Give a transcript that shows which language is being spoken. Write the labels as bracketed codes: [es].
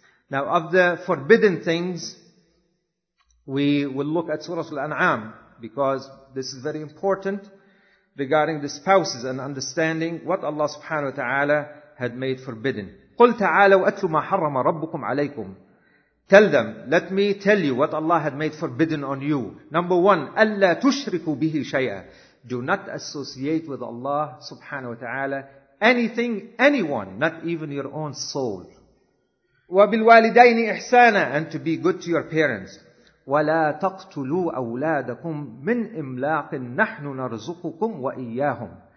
[en] Now, of the forbidden things, we will look at Surah Al-An'am, because this is very important regarding the spouses and understanding what Allah subhanahu wa ta'ala had made forbidden. [ar] قُلْ تَعَالَوْا أَتْلُ مَا حَرَّمَ رَبُّكُمْ عَلَيْكُمْ. [en] Tell them, let me tell you what Allah had made forbidden on you. Number one, [ar] أَلَّا تُشْرِكُوا بِهِ شَيْئًا. [en] Do not associate with Allah subhanahu wa ta'ala anything, anyone, not even your own soul. [ar] وَبِالْوَالِدَيْنِ إِحْسَانًا. [en] And to be good to your parents. [ar] وَلَا تَقْتُلُوا أَوْلَادَكُمْ مِنْ إِمْلَاقٍ نَحْنُ نَرْزُقُكُمْ وَإِيَّاهُمْ.